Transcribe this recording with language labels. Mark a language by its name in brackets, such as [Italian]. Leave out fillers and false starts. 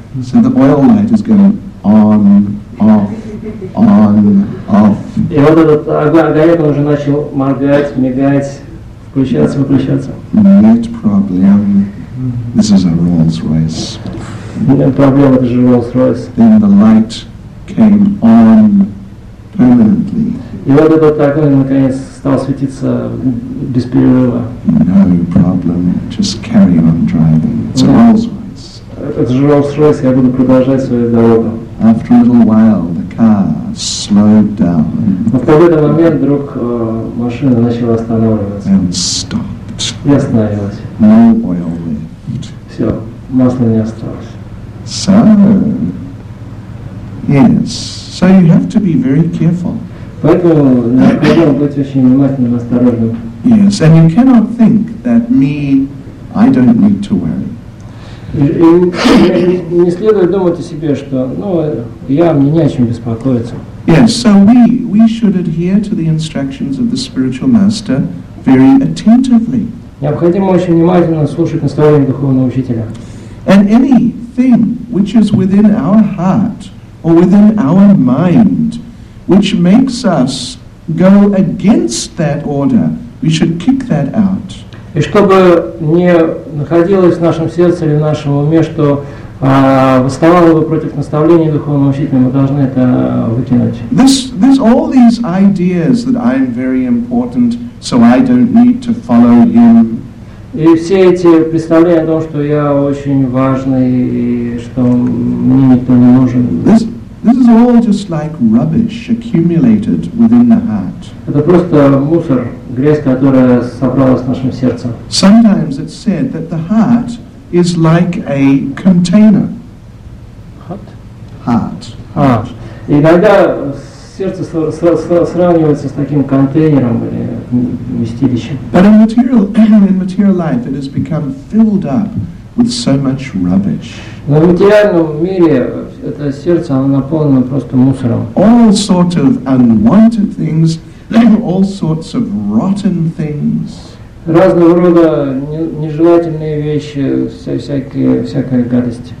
[English] So the oil light is going on, off, on, off. [Russian] И вот этот огонек уже начал моргать, мигать, включаться, выключаться. Нет проблем. [English] This is a Rolls-Royce. [Russian] Нет проблем, это же Rolls-Royce. [English] Then the light came on permanently. [Russian] И вот этот огонь наконец стал светиться без перерыва. [English] No problem. Just carry on driving. It's a Rolls-Royce. [Russian] Это же Rolls-Royce, я буду продолжать свою дорогу. [English] After a little while, the car slowed down. [Russian] Но в какой-то момент вдруг машина начала останавливаться. [English] And stopped. [Russian] И остановилась. [English] No oil left. [Russian] Все, масла не осталось. [English] So, yes. So you have to be very careful. [Russian] Поэтому необходимо быть очень внимательным и осторожным. [English] Yes, and you cannot think that me, I don't need to worry. [Russian] Не следует думать о себе, что, ну, я, мне не о чем беспокоиться. [English] Yes, so we should adhere to the instructions of the spiritual master very attentively. [Russian] Необходимо очень внимательно слушать наставления духовного учителя. [English] And anything which is within our heart or within our mind, which makes us go against that order. We should kick that out. [Russian] И чтобы не находилось в нашем сердце или в нашем уме, что восставало бы против наставления духовного учителя, мы должны это выкинуть. [English] This all these ideas that I'm very important, so I don't need to follow him. [Russian] И все эти представления о том, что я очень важный и что мне никто не нужен. [English] This is all just like rubbish accumulated within the heart. [Russian] Это просто мусор, грязь, которая собралась в нашем сердце. [English] Sometimes it's said that the heart is like a container. Heart. [Russian] Иногда сердце сравнивается с таким контейнером или вместилищем. [English] But in material life, it has become filled up with so much rubbish. [Russian] Но в материальном мире это сердце, оно наполнено просто мусором. [English] All sorts of unwanted things, all sorts of rotten things. [Russian] Разного рода нежелательные вещи, всякая гадость.